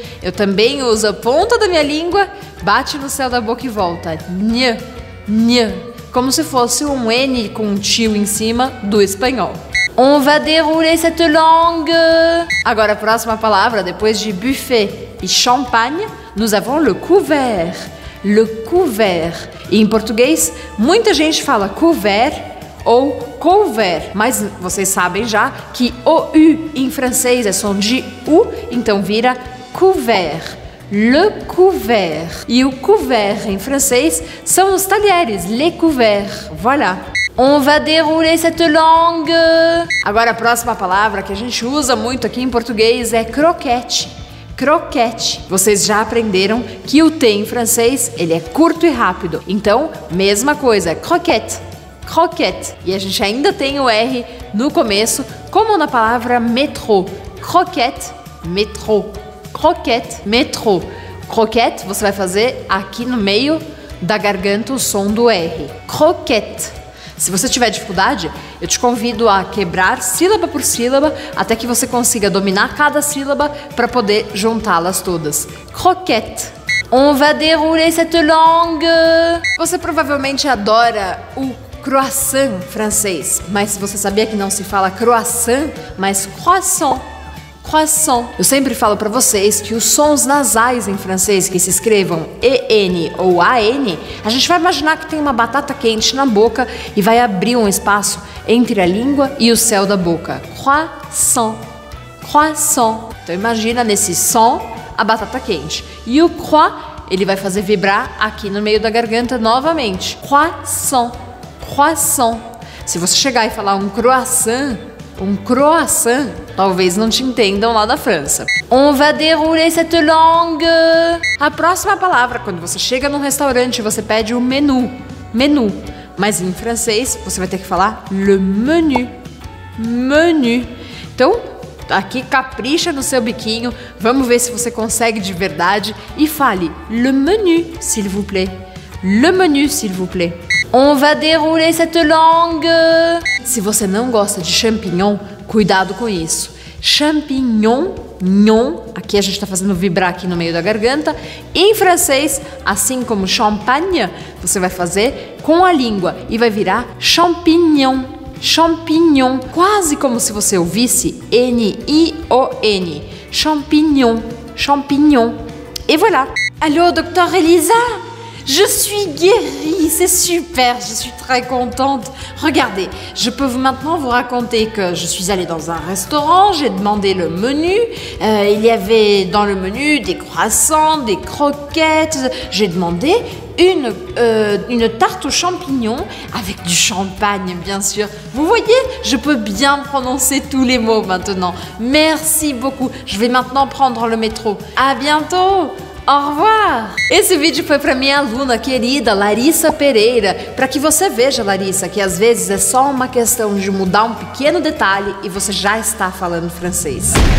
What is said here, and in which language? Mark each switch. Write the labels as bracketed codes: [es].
[pt] Eu também uso a ponta da minha língua, bate no céu da boca e volta. Nhe. Nhe. Como se fosse um N com um tio em cima do espanhol. [fr] On va dérouler cette langue. [pt] Agora a próxima palavra, depois de buffet e champagne, [fr] nous avons le couvert. Le couvert. [pt] E em português, muita gente fala couvert ou couvert. Mas vocês sabem já que OU em francês é som de U, então vira couvert. Le couvert. E o couvert em francês são os talheres, les couverts. [fr] Voilà. On va dérouler cette langue. [pt] Agora a próxima palavra que a gente usa muito aqui em português é croquete. Croquete. Vocês já aprenderam que o T em francês, ele é curto e rápido. Então, mesma coisa, croquete. Croquette. E a gente ainda tem o R no começo, como na palavra métro. Croquette, métro. Croquette, métro. Croquette, você vai fazer aqui no meio da garganta o som do R. Croquette. Se você tiver dificuldade, eu te convido a quebrar sílaba por sílaba até que você consiga dominar cada sílaba para poder juntá-las todas. [fr] Croquette. On va dérouler cette langue. [pt] Você provavelmente adora o croissant francês, mas você sabia que não se fala croissant, mas croissant. Croissant. Eu sempre falo para vocês que os sons nasais em francês que se escrevam EN ou AN, a gente vai imaginar que tem uma batata quente na boca e vai abrir um espaço entre a língua e o céu da boca. Croissant. Croissant. Então imagina nesse som a batata quente. E o croix, ele vai fazer vibrar aqui no meio da garganta novamente. Croissant. Croissant. Se você chegar e falar um croissant, um croissant, talvez não te entendam lá da França. [fr] On va dérouler cette langue. [pt] A próxima palavra, quando você chega num restaurante, você pede o menu. Menu. Mas em francês, você vai ter que falar le menu. Menu. Então, aqui capricha no seu biquinho. Vamos ver se você consegue de verdade. E fale [fr] le menu, s'il vous plaît. Le menu, s'il vous plaît. On va dérouler cette langue. [pt] Se você não gosta de champignon, cuidado com isso. Champignon, nhon, aqui a gente está fazendo vibrar aqui no meio da garganta. Em francês, assim como champagne, você vai fazer com a língua e vai virar champignon. Champignon, quase como se você ouvisse N-I-O-N. [fr] Champignon, champignon. Et voilà. Allô, docteur Elisa? Je suis guérie, c'est super, je suis très contente. Regardez, je peux maintenant vous raconter que je suis allée dans un restaurant, j'ai demandé le menu, il y avait dans le menu des croissants, des croquettes, j'ai demandé une tarte aux champignons avec du champagne, bien sûr. Vous voyez, je peux bien prononcer tous les mots maintenant. Merci beaucoup, je vais maintenant prendre le métro. À bientôt. Au revoir! [pt] Esse vídeo foi para minha aluna querida, Larissa Pereira. Para que você veja, Larissa, que às vezes é só uma questão de mudar um pequeno detalhe e você já está falando francês.